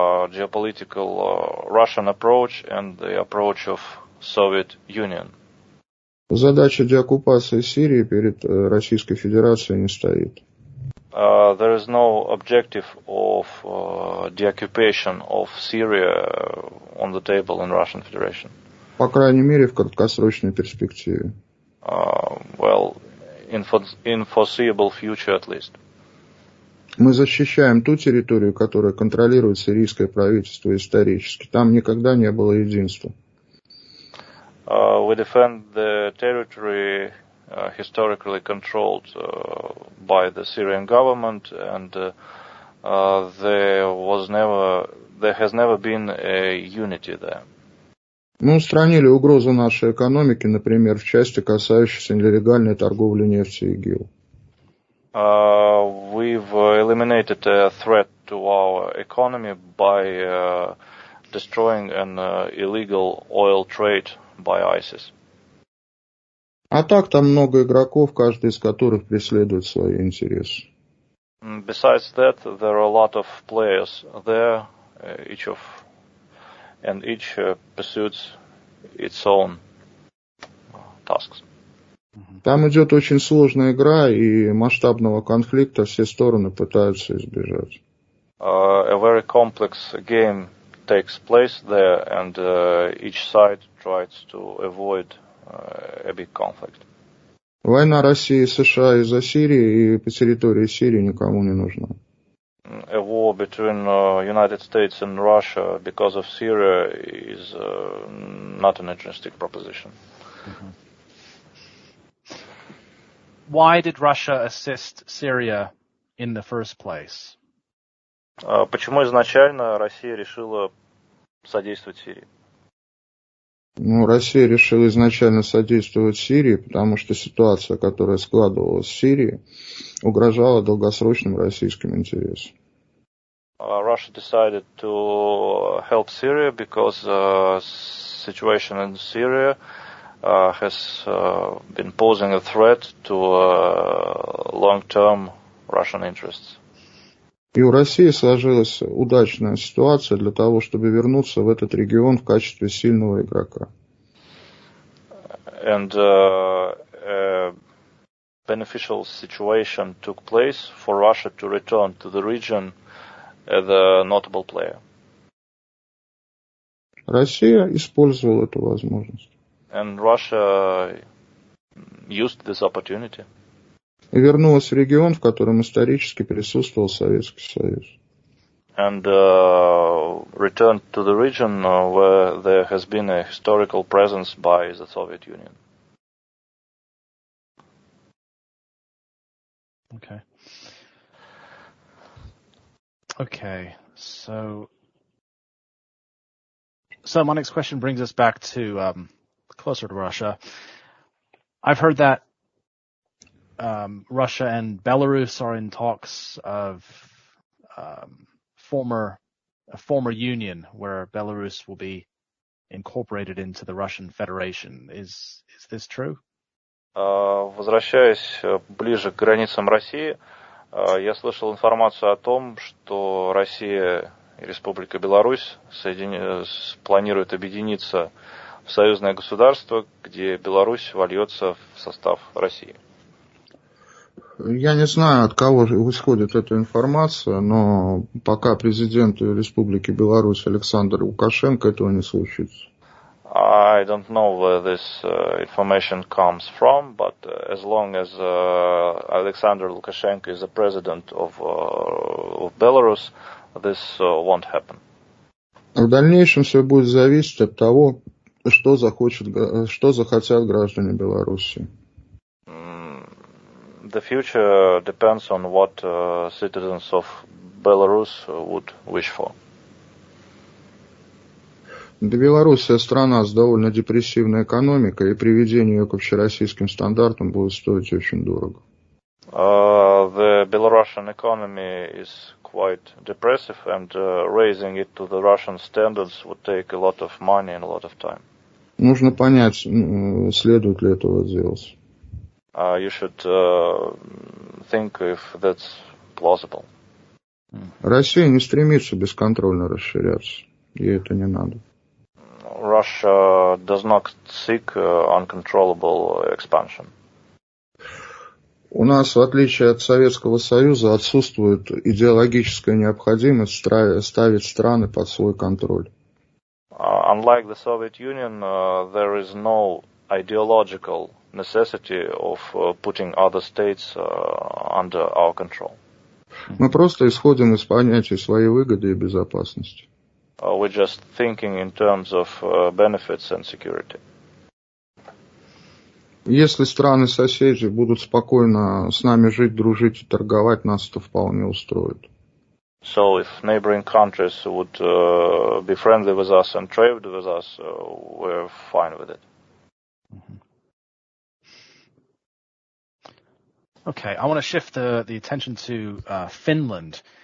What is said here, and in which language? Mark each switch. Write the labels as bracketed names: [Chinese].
[English] geopolitical Russian approach and the approach of Soviet Union. [Russian] Задача деоккупации Сирии перед Российской Федерацией не стоит. [English] There is no objective of deoccupation of Syria on the table in Russian Federation. [Russian] По крайней мере, в краткосрочной перспективе. [English] Well, in foreseeable future at least. [Russian] Мы защищаем ту территорию, которая контролирует сирийское правительство исторически. Там никогда не было единства. [English] We defend the territory historically controlled by the Syrian government, and there has never been a unity there. [Russian] Мы устранили угрозу нашей экономики, например, в части, касающейся нелегальной торговли нефтью и ИГИЛ. [English] We've eliminated a threat to our economy by destroying an illegal oil trade by ISIS. [Russian] А так там много игроков, каждый из которых преследует свои интересы. [English] Besides that, there are a lot of players there, each pursues its own tasks. [Russian] Там идет очень сложная игра, и масштабного конфликта все стороны пытаются избежать. [English] A very complex game takes place there, and each side tries to avoid a big conflict. [Russian] Война России и США из-за Сирии и по территории Сирии никому не нужна. [English] A war between United States and Russia because of Syria is not an interesting proposition. Mm-hmm. Why did Russia assist Syria in the first place? [Russian] Почему изначально Россия решила содействовать Сирии? Ну, Россия решила изначально содействовать Сирии, потому что ситуация, которая складывалась в Сирии, угрожала долгосрочным российским интересам. [English] Russia decided to help Syria because the situation in Syria has been posing a threat to long-term Russian interests. [Russian] И у России сложилась удачная ситуация для того, чтобы вернуться в этот регион в качестве сильного игрока. [English] And a beneficial situation took place for Russia to return to the region as a notable player. [Russian] Россия использовала эту возможность. [English] And Russia used this opportunity. [Russian] И вернулась в регион, в котором исторически присутствовал Советский Союз. [English] And returned to the region where there has been a historical presence by the Soviet Union. Okay. Okay, so my next question brings us back to closer to Russia. I've heard that Russia and Belarus are in talks of a former union where Belarus will be incorporated into the Russian Federation. Is this true? [Russian] Возвращаясь ближе к границам России, я слышал информацию о том, что Россия и Республика Беларусь планируют объединиться в союзное государство, где Беларусь вольется в состав России. Я не знаю, от кого исходит эта информация, но пока президент Республики Беларусь Александр Лукашенко этого не случится. [English] I don't know where this information comes from, but as long as Alexander Lukashenko is the president of Belarus, this won't happen. [Russian] В дальнейшем все будет зависеть от того, что захотят граждане Беларуси. [English] The future depends on what citizens of Belarus would wish for. [Russian] Белоруссия страна с довольно депрессивной экономикой, и приведение ее к общероссийским стандартам будет стоить очень дорого. [English] The Belarusian economy is quite depressive, and raising it to the Russian standards would take a lot of money and a lot of time. [Russian] Нужно понять, следует ли этого делать. [English] You should think if that's plausible. [Russian] Россия не стремится бесконтрольно расширяться. Ей это не надо. [English] Russia does not seek uncontrollable expansion. [Russian] У нас, в отличие от Советского Союза, отсутствует идеологическая необходимость ставить страны под свой контроль. [English] Unlike the Soviet Union, there is no ideological necessity of putting other states under our control. [Russian] Мы просто исходим из понятия своей выгоды и безопасности. [English] We're just thinking in terms of benefits and security. [Russian] Если страны-соседи будут спокойно с нами жить, дружить и торговать, нас это вполне устроит. [English] So if neighboring countries would be friendly with us and trade with us, we're fine with it. Okay, I want to shift the attention to Finland.